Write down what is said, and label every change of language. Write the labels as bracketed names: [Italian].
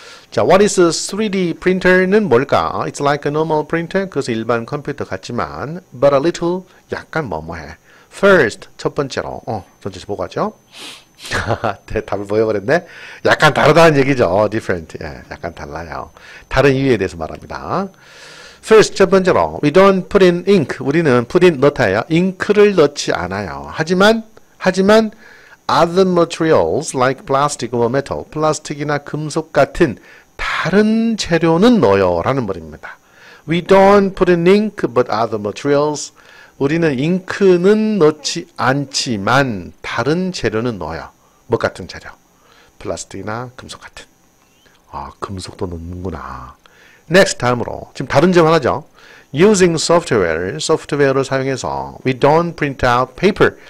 [English] 자, what is a 3D printer는 [Korean] 뭘까? [English] It's like a normal printer, [Korean] 그것은 일반 컴퓨터 같지만, [English] but a little, [Korean] 약간 뭐뭐해. First, 첫 번째로, 전체적으로 보고 하죠. 답을 보여버렸네. 약간 다르다는 얘기죠. Different. 예, 약간 달라요. 다른 이유에 대해서 말합니다. [English] First, [Korean] 첫 번째로, [English] we don't put in ink. [Korean] 우리는 put in, 넣다예요. 잉크를 넣지 않아요. 하지만, [English] other materials like plastic or metal, [Korean] 플라스틱이나 금속 같은 다른 재료는 넣어요. 라는 말입니다. [English] We don't put in ink, but other materials. [Korean] 우리는 잉크는 넣지 않지만, 다른 재료는 넣어요. 뭐 같은 재료? 플라스틱이나 금속 같은. 아, 금속도 넣는구나. Next, 다음으로. 지금 다른 점 하나죠? [English] Using software를 [Korean] 사용해서 [English] we don't print out paper.